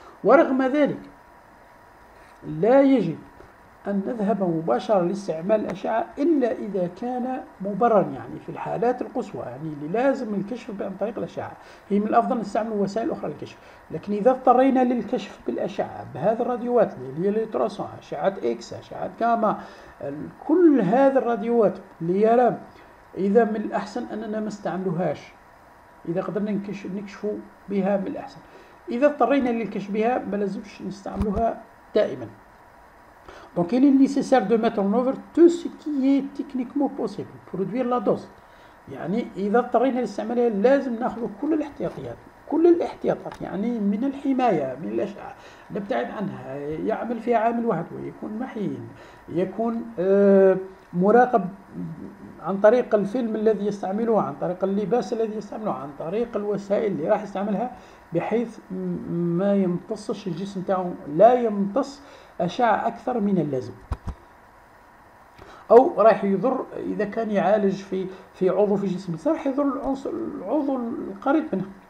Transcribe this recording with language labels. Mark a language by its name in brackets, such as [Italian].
[Arabic] ورغم ذلك لا يجب أن نذهب مباشرة لاستعمال الأشعة إلا إذا كان مبررا، يعني في الحالات القصوى، يعني اللي لازم الكشف عن طريق الأشعة هي من الأفضل نستعمل وسائل أخرى للكشف، لكن إذا اضطرينا للكشف بالأشعة بهذه الراديوات اللي هي الالتراسون، أشعة إكس، أشعة جاما، كل هذه الراديوات اللي هي، إذا من الأحسن أننا ما استعملوهاش إذا قدرنا نكشفوا بها من الأحسن. اذا اضطرينا للكشف بها ما لازمش نستعملوها دائما. [French] دونك il est nécessaire de mettre en œuvre tout ce qui est techniquement possible pour réduire la dose. [Arabic] يعني اذا اضطرينا لاستعمالها لازم ناخذ كل الاحتياطيات، كل الاحتياطات يعني من الحمايه، من الاشعه، نبتعد عنها، يعمل فيها عامل واحد ويكون محين، يكون مراقب عن طريق الفيلم الذي يستعمله، عن طريق اللباس الذي يستعمله، عن طريق الوسائل اللي راح يستعملها، بحيث ما يمتصش الجسم تاعو، لا يمتص اشعه اكثر من اللازم، او راح يضر اذا كان يعالج في عضو في الجسم، راح يضر العضو القريب منه.